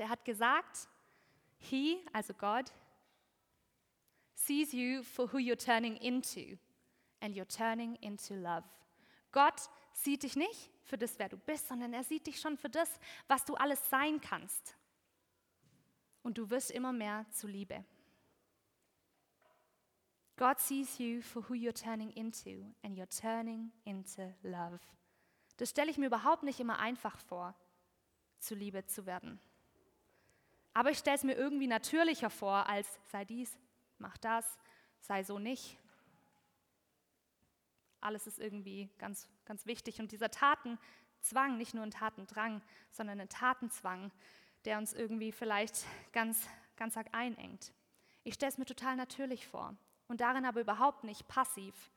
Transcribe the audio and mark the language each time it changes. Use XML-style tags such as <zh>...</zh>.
<de>Er hat gesagt,</de> <en>He, also God, sees you for who you're turning into. And you're turning into love.</en> <de>Gott sieht dich nicht für das, wer du bist, sondern er sieht dich schon für das, was du alles sein kannst. Und du wirst immer mehr zu Liebe.</de> <en>God sees you for who you're turning into and you're turning into love.</en> <de>Das stelle ich mir überhaupt nicht immer einfach vor, zu Liebe zu werden. Aber ich stelle es mir irgendwie natürlicher vor als sei dies, mach das, sei so nicht. Alles ist irgendwie ganz, ganz wichtig. Und dieser Tatenzwang, nicht nur ein Tatendrang, sondern ein Tatenzwang, der uns irgendwie vielleicht ganz, ganz arg einengt. Ich stelle es mir total natürlich vor und darin aber überhaupt nicht passiv</de>